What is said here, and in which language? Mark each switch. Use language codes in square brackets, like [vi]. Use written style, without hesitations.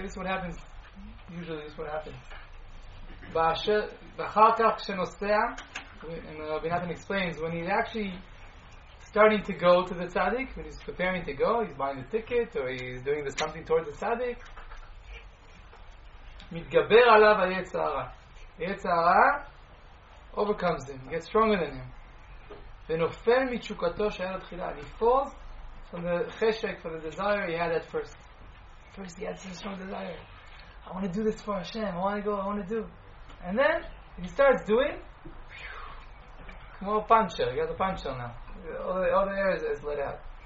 [en] This is what happens, usually this is what happens. Ba'achakach shenosea, and Rabbi Nathan explains, when he's actually starting to go to the tzaddik, when he's preparing to go, he's buying the ticket, or he's doing the something towards the tzaddik, [he] מתגבר עליו היצרה. [en] היצרה overcomes him, gets stronger than him. [he] ונופל מתשוקתו שהיה לתחילה. [en] He falls from the חשק, from the desire he had at first. First he had some strong desire. I want to do this for Hashem. I want to go, I want to do. And then, he starts doing, [he] כמו פאנצ'ר, [en] he got a puncher now. All the air is let out.